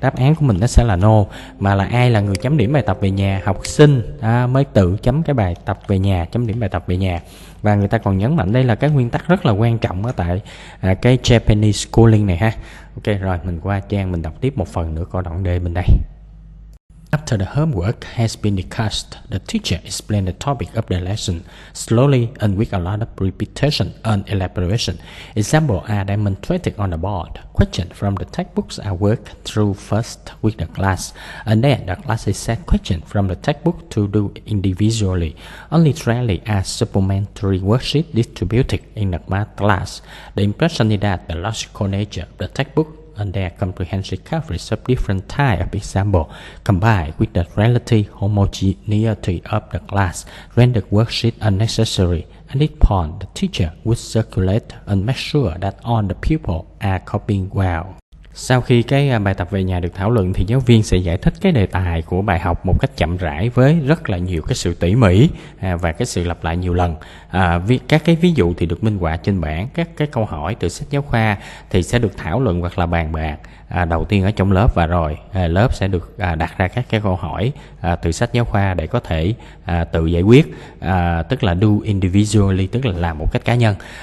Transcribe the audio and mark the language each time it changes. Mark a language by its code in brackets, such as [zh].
[vi] Đáp án của mình nó sẽ là no. Mà là ai là người chấm điểm bài tập về nhà? Học sinh mới tự chấm cái bài tập về nhà, chấm điểm bài tập về nhà. Và người ta còn nhấn mạnh đây là cái nguyên tắc rất là quan trọng ở tại cái Japanese schooling này ha. Ok, rồi mình qua trang, mình đọc tiếp một phần nữa câu đoạn D bên đây. [en] After the homework has been discussed, the teacher explains the topic of the lesson slowly and with a lot of repetition and elaboration. Examples are demonstrated on the board. Questions from the textbooks are worked through first with the class, and then the class is set questions from the textbook to do individually. Only rarely are supplementary worksheets distributed in the math class. The impression is that the logical nature of the textbook and their comprehensive coverage of different types of examples, combined with the relative homogeneity of the class, rendered worksheet unnecessary. At this point, the teacher would circulate and make sure that all the pupils are copying well. [vi] Sau khi cái bài tập về nhà được thảo luận thì giáo viên sẽ giải thích cái đề tài của bài học một cách chậm rãi với rất là nhiều cái sự tỉ mỉ và cái sự lặp lại nhiều lần. Các cái ví dụ thì được minh họa trên bảng, các cái câu hỏi từ sách giáo khoa thì sẽ được thảo luận hoặc là bàn bạc đầu tiên ở trong lớp, và rồi lớp sẽ được đặt ra các cái câu hỏi từ sách giáo khoa để có thể tự giải quyết, tức là [en] do individually, [vi] tức là làm một cách cá nhân.